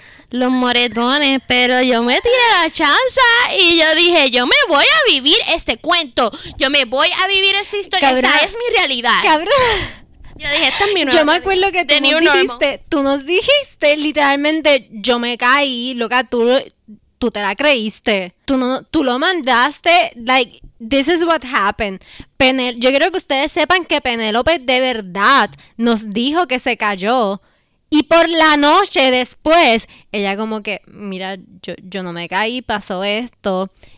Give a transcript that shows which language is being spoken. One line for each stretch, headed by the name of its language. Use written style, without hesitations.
Spanish: los moretones, pero yo me tiré la chanza y yo dije, yo me voy a vivir este cuento, yo me voy a vivir esta historia, cabrón, esta es mi realidad. Cabrón. Yo dije, esta es mi nueva. Yo me acuerdo que tú nos dijiste, literalmente, yo me caí, loca, tú te la creíste. Tú lo mandaste,
English: like, this is what happened.
Spanish: Yo quiero que ustedes sepan que Penélope de verdad nos dijo que se cayó. Y por la noche después, ella como que, mira, yo no me caí, pasó esto.